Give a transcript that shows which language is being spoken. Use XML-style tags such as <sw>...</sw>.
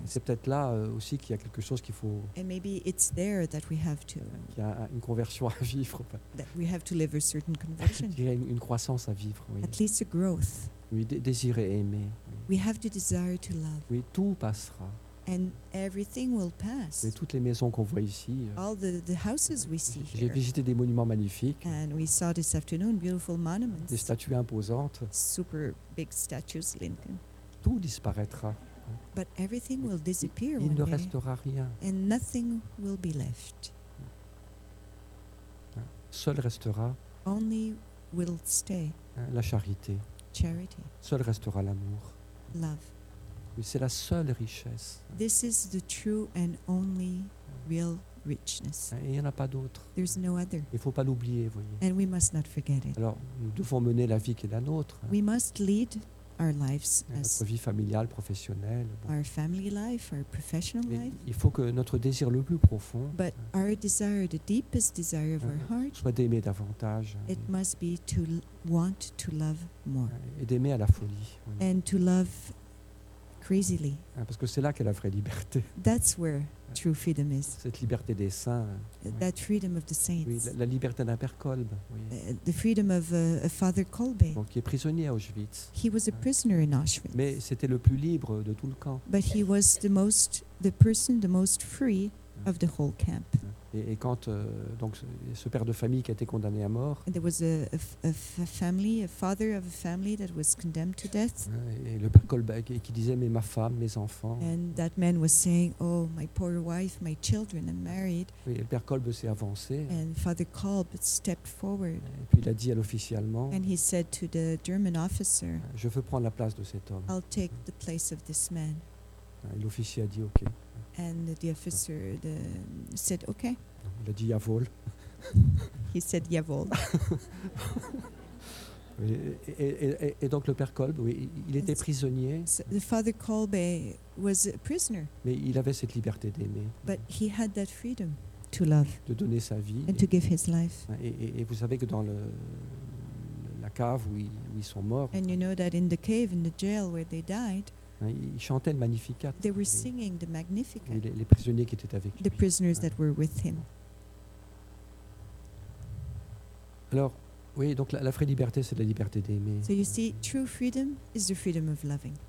<fr>C'est peut-être là aussi qu'il y a quelque chose qu'il faut.</fr> <en>And maybe it's there that we have to.</en> <fr>Qu'il y a une conversion à vivre.</fr> <en>That we have to live a certain conversion.</en> <fr>Qu'il y a une croissance à vivre. Oui.</fr> <en>At least a growth.</en> <fr>Oui, désirer aimer.</fr> <en>We have to desire to love.</en> <fr>Oui, tout passera.</fr> <en>And everything will pass.</en> <fr>Et toutes les maisons qu'on voit ici.</fr> <en>All the houses we see here.</en> <fr>J'ai visité des monuments magnifiques.</fr> <en>And we saw this afternoon beautiful monuments.</en> <fr>Des statues imposantes.</fr> <en>Super big statues, Lincoln.</en> <fr>Tout disparaîtra.</fr> <en>But everything will disappear.</en> <fr>Il ne restera rien.</fr> <en>And nothing will be left.</en> <fr>Seul restera.</fr> <en>Only will stay.</en> <fr>La charité.</fr> <en>Charity.</en> <fr>Seul restera l'amour.</fr> <en>Love.</en> <fr>C'est la seule richesse.</fr> <en>This is the true and only real richness.</en> <fr>Et il n'y en a pas d'autre.</fr> <en>There's no other.</en> <fr>Il ne faut pas l'oublier, vous voyez.</fr> <en>And we must not forget it.</en> <fr>Alors, nous devons mener la vie qui est la nôtre.</fr> <en>We must lead our lives as</en> <fr>notre vie familiale, professionnelle. Bon.</fr> <en>Our family life, our professional life.</en> <fr>Il faut que notre désir le plus profond.</fr> <en>But our desire, the deepest desire of our heart.</en> <fr>Soit d'aimer davantage.</fr> <en>It must be to want to love more.</en> <fr>Et d'aimer à la folie. Oui.</fr> <en>And to love crazily.</en> <fr>Parce que c'est là qu'est la vraie liberté.</fr> <en>That's where true freedom is.</en> <fr>Cette liberté des saints.</fr> <en>That freedom of the saints.</en> <fr>Oui, la liberté d'un père Kolbe.</fr> <en>The freedom of a father Kolbe.</en> <fr>Bon, qui est prisonnier à Auschwitz.</fr> <en>He was a prisoner in Auschwitz.</en> <fr>Mais c'était le plus libre de tout le camp.</fr> <en>But he was the person the most free of the whole camp.</en> <fr>Et quand donc ce père de famille qui a été condamné à mort.</fr> <en>There was a family, a father of a family that was condemned to death.</en> <fr>Et le père Colbeck qui disait mais ma femme, mes enfants.</fr> <en>And that man was saying, oh my poor wife, my children, I'm married.</en> <fr>Oui, et le père Kolb s'est avancé.</fr> <en>And Father Kolb stepped forward.</en> <fr>Et puis il a dit à l'officier allemand.</fr> <en>And he said to the German officer.</en> <fr>Je veux prendre la place de cet homme.</fr> <en>I'll take the place of this man.</en> <fr>Et l'officier a dit OK.</fr> <en>And the officer said, okay.</en> <fr>Il a dit, Yavol.</fr> <en>He said, Yavol.</en> <fr>et donc le père Kolb, oui, il était prisonnier.</fr> <en>So the father Kolb was a prisoner.</en> <fr>Mais il avait cette liberté d'aimer.</fr> <en>But he had that freedom to love.</en> <fr>De donner sa vie.</fr> <en>And to give his life.</en> <fr>Et vous savez que dans le... la cave où ils sont morts.</fr> <en>And you know that in the cave, in the jail where they died.</en> <fr>Ils chantaient le Magnificat.</fr> <en>They were singing the Magnificat.</en> <fr>Oui, les prisonniers qui étaient avec lui.</fr> <en>The prisoners that were with him.</en> <fr>Alors, oui, donc la vraie liberté, c'est la liberté d'aimer.</fr> <en>So you see, true freedom is the freedom of loving.</en>